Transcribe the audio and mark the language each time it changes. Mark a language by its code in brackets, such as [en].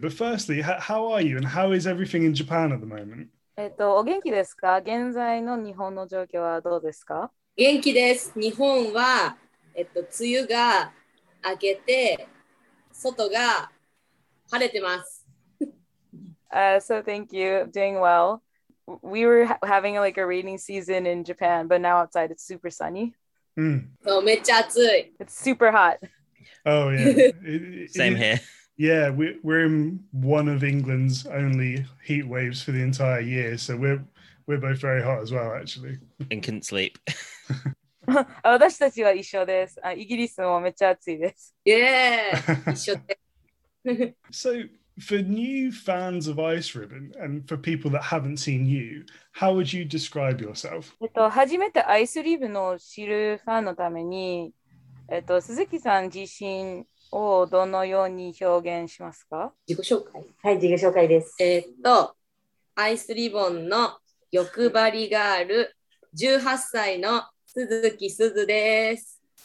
[en] But firstly, how are you and how is everything in Japan at the moment? [ja] お元気ですか？現在の日本の状況はどうですか？元気です。日本は、梅雨が明けて、外が晴れてます。 [en] So thank you. Doing well. We were having like a rainy season in Japan, but now outside it's super sunny. [ja] So, めっちゃ暑い。 [en] It's super hot. Oh, yeah. Same here. Yeah, we're in one of England's only heat waves for the entire year, so we're both very hot as well, actually. And couldn't sleep. [ja] 私たちは一緒です。イギリスもめっちゃ暑いです。 Yeah! 一緒です。 [en] So, for new fans of Ice Ribbon, and for people that haven't seen you, how would you describe yourself? [ja] 初めてアイスリブンを知るファンのために、鈴木さん自身をどのように表現しますか？自己紹介。はい、自己紹介です。アイスリボンの欲張りガール、18歳の鈴木すずです。